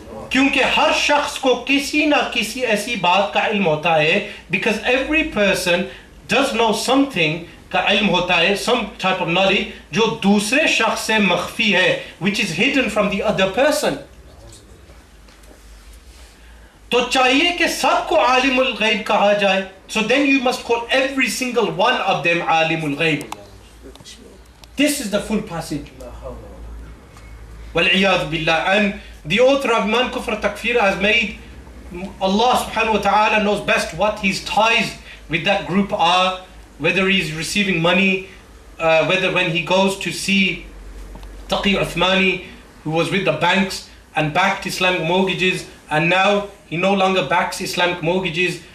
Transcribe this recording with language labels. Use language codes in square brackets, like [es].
[ur] کیونکہ ہر شخص کو کسی نہ کسی ایسی بات کا علم ہوتا ہے, [en] because every person does know something [ur] کا علم ہوتا ہے, [en] some type of knowledge [ur] جو دوسرے شخص سے مخفی ہے, [en] which is hidden from the other person. [ur] تو چاہیے کہ سب کو عالم الغیب کہا جائے. [en] So then you must call every single one of them عالم الغیب. This is the full passage. [ar] وَالْعِيَاذُ بِاللَّهِ. [en] And the author of Iman, Kufr, Takfir has made Allah subhanahu wa ta'ala knows best what his ties with that group are, whether he's receiving money, whether when he goes to see Taqi Uthmani, who was with the banks and backed Islamic mortgages, and now he no longer backs Islamic mortgages.